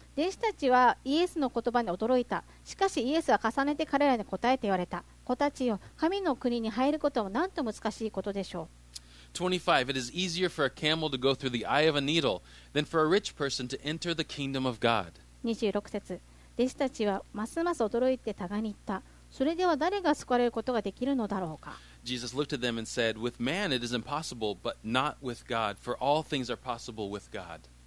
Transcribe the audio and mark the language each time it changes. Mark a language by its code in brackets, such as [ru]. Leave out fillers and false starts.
[ja] 弟子たちはイエスの言葉に驚いた。しかしイエスは重ねて彼らに答えて言われた。子たちよ、神の国に入ることはなんと難しいことでしょう。 [en] 25. It is easier for a camel to go through the eye of a needle than for a rich person to enter the kingdom of God. [ja] 26節。弟子たちはますます驚いて互いに言った。それでは誰が救われることができるのだろうか。 [en] Jesus looked at them and said, "With man it is impossible, but not with God, for all things are possible with God."